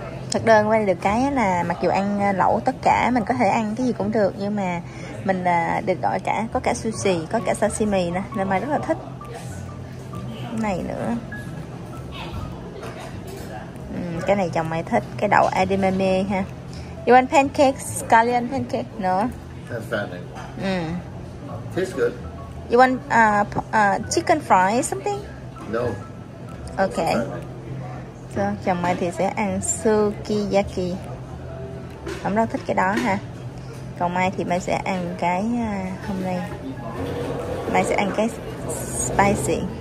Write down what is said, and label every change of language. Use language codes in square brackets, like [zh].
[vi] Thực đơn của anh được cái là mặc dù ăn lẩu tất cả, mình có thể ăn cái gì cũng được, nhưng mà mình được gọi cả, có cả sushi, có cả sashimi nè, nên mà rất là thích cái này nữa. Cái này chồng mày thích, cái đậu edamame ha. [en] You want pancakes, scallion pancake? No. Tastes good. You want chicken fry something? No. Okay. [vi] So, chồng mày thì sẽ ăn sukiyaki. Không đâu thích cái đó ha. Còn mai thì mày sẽ ăn cái hôm nay. Mày sẽ ăn cái spicy.